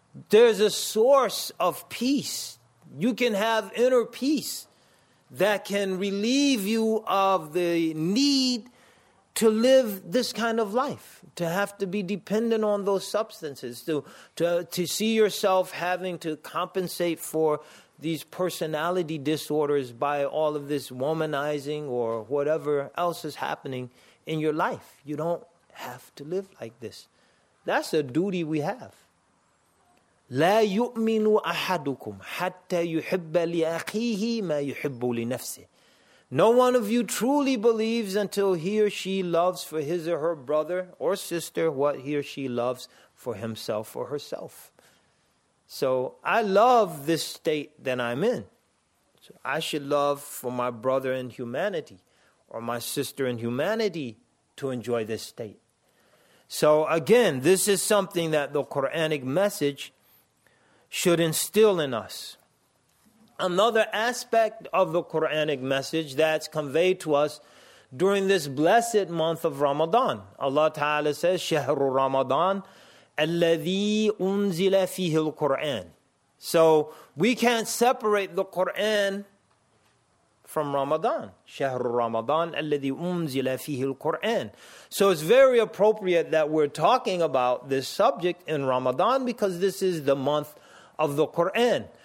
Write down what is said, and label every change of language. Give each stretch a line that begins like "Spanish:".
English: There's a source of peace. You can have inner peace that can relieve you of the need to live this kind of life, to have to be dependent on those substances, to see yourself having to compensate for these personality disorders by all of this womanizing or whatever else is happening in your life. You don't have to live like this. That's a duty we have.
Arabic: لا يؤمن أحدكم حتى يحب لأخيه ما يحب لنفسه.
English: No one of you truly believes until he or she loves for his or her brother or sister what he or she loves for himself or herself. So I love this state that I'm in. So I should love for my brother in humanity or my sister in humanity to enjoy this state. So again, this is something that the Quranic message should instill in us. Another aspect of the Quranic message that's conveyed to us during this blessed month of Ramadan.
Arabic: Allah Ta'ala says, شهر رمضان الذي أنزل فيه القرآن.
English: So we can't separate the Quran from Ramadan.
Arabic: شهر رمضان الذي أنزل فيه القرآن.
English: So it's very appropriate that we're talking about this subject in Ramadan because this is the month of the Quran.